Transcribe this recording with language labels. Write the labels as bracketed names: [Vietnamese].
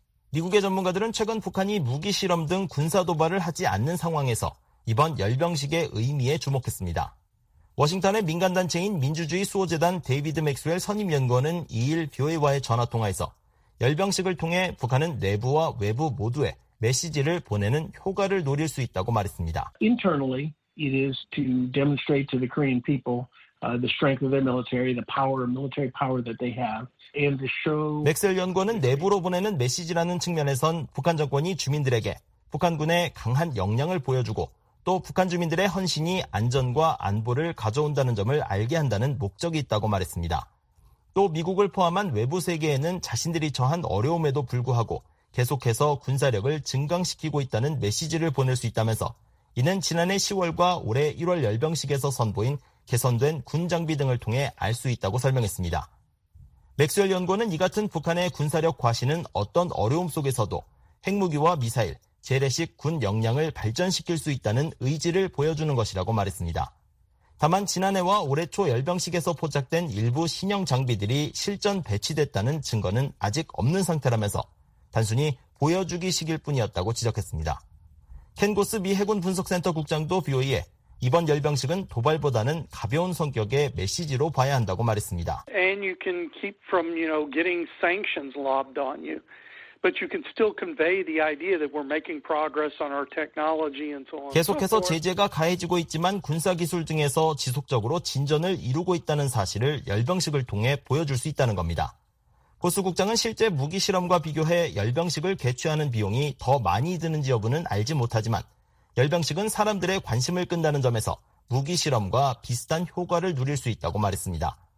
[Korean] 미국의 전문가들은 최근 북한이 무기실험 등 군사도발을 하지 않는 상황에서 이번 열병식의 의미에 주목했습니다. 워싱턴의 민간단체인 민주주의 수호재단 데이비드 맥스웰 선임연구원은 2일 BOA와의 전화통화에서 열병식을 통해 북한은 내부와 외부 모두에 메시지를 보내는 효과를 노릴 수 있다고 말했습니다. [English] Internally, it is to demonstrate to the Korean people the strength of their military, the power, military power that they have, and to show. [Korean] 맥스웰 연구원은 내부로 보내는 메시지라는 측면에선 북한 정권이 주민들에게 북한군의 강한 역량을 보여주고 또 북한 주민들의 헌신이 안전과 안보를 가져온다는 점을 알게 한다는 목적이 있다고 말했습니다. 또 미국을 포함한 외부 세계에는 자신들이 처한 어려움에도 불구하고 계속해서 군사력을 증강시키고 있다는 메시지를 보낼 수 있다면서 이는 지난해 10월과 올해 1월 열병식에서 선보인 개선된 군 장비 등을 통해 알 수 있다고 설명했습니다. 맥스웰 연구원은 이 같은 북한의 군사력 과시는 어떤 어려움 속에서도 핵무기와 미사일, 재래식 군 역량을 발전시킬 수 있다는 의지를 보여주는 것이라고 말했습니다. 다만 지난해와 올해 초 열병식에서 포착된 일부 신형 장비들이 실전 배치됐다는 증거는 아직 없는 상태라면서 단순히 보여주기식일 뿐이었다고 지적했습니다. 켄고스 미 해군 분석센터 국장도 BOA에 이번 열병식은 도발보다는 가벼운 성격의 메시지로 봐야 한다고 말했습니다. [English] And you can keep from, you know, getting sanctions lobbed on you. But you can still convey the idea that we're making progress on our technology and so on. [Korean] 계속해서 제재가 가해지고 있지만 군사 기술 등에서 지속적으로 진전을 이루고 있다는 사실을 열병식을 통해 보여줄 수 있다는 겁니다. 고수 국장은 실제 무기 실험과 비교해 열병식을 개최하는 비용이 더 많이 드는지 여부는 알지 못하지만 열병식은 사람들의 관심을 끈다는 점에서 무기 실험과 비슷한 효과를 누릴 수 있다고 말했습니다.